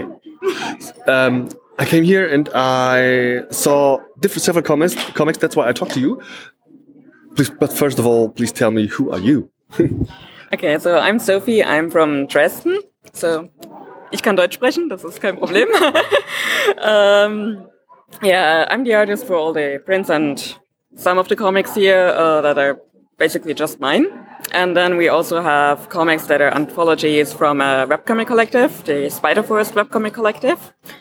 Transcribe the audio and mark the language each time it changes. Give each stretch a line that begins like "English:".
English: I came here and I saw several comics, that's why I talked to you. Please, but first of all, please tell me, who are you? Okay, so I'm Sophie, I'm from Dresden.
German: So, ich kann Deutsch sprechen, das ist kein Problem.
English: yeah, I'm the artist for all the prints and some of the comics here that are basically just mine. And then we also have comics that are anthologies from a webcomic collective, the Spider-Force webcomic collective.